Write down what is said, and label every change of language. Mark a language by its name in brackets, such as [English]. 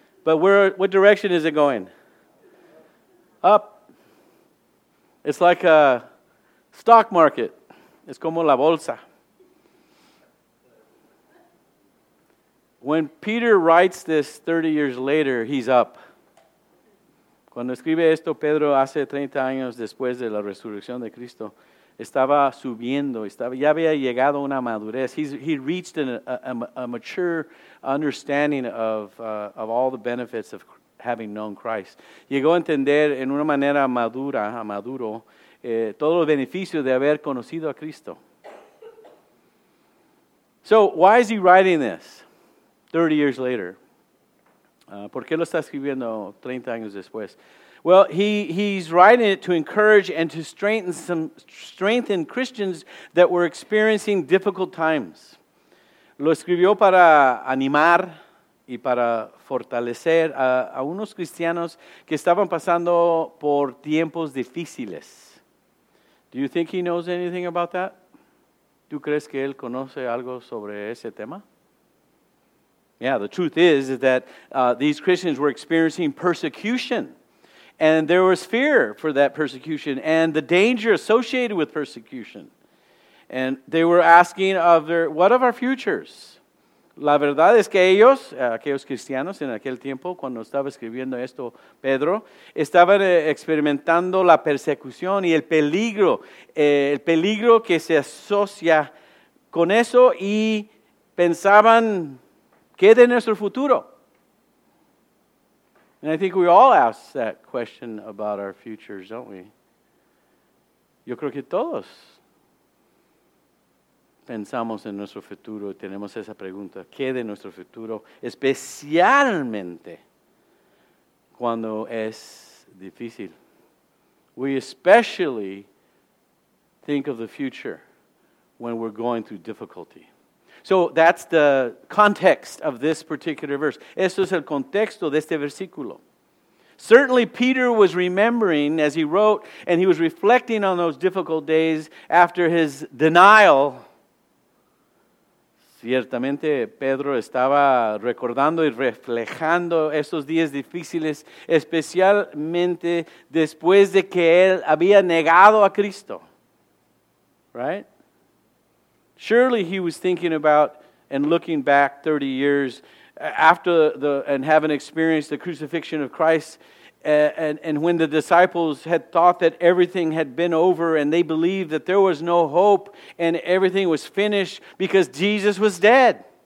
[English] But what direction is it going? Up. It's like a stock market. [Spanish] Es como la bolsa. [English] When Peter writes this 30 years later, he's up. [Spanish] Cuando escribe esto, Pedro hace 30 años después de la resurrección de Cristo, estaba subiendo, ya había llegado a una madurez. [English] He reached a mature understanding of all the benefits of having known Christ. [Spanish] Llegó a entender en una manera madura, a maduro, todos los beneficios de haber conocido a Cristo. [English] So, why is he writing this 30 years later? [Spanish] ¿Por qué lo está escribiendo 30 años después? [English] Well, he's writing it to encourage and to strengthen Christians that were experiencing difficult times. [Spanish] Lo escribió para animar y para fortalecer a unos cristianos que estaban pasando por tiempos difíciles. [English] Do you think he knows anything about that? [Spanish] ¿Tú crees que él conoce algo sobre ese tema? [English] Yeah, the truth is that these Christians were experiencing persecution. And there was fear for that persecution and the danger associated with persecution. And they were asking of their, what of our futures? [Spanish] La verdad es que ellos, aquellos cristianos en aquel tiempo, cuando estaba escribiendo esto Pedro, estaban experimentando la persecución y el peligro que se asocia con eso y pensaban, ¿qué de nuestro futuro? [English] And I think we all ask that question about our futures, don't we? [Spanish] Yo creo que todos pensamos en nuestro futuro y tenemos esa pregunta, ¿qué de nuestro futuro? Especialmente cuando es difícil. [English] We especially think of the future when we're going through difficulty. So that's the context of this particular verse. [Spanish] Esto es el contexto de este versículo. [English] Certainly Peter was remembering as he wrote and he was reflecting on those difficult days after his denial. [Spanish] Ciertamente, Pedro estaba recordando y reflejando esos días difíciles, especialmente después de que él había negado a Cristo. [English] Right? Surely he was thinking about and looking back 30 years after the and having experienced the crucifixion of Christ and when the disciples had thought that everything had been over and they believed that there was no hope and everything was finished because Jesus was dead.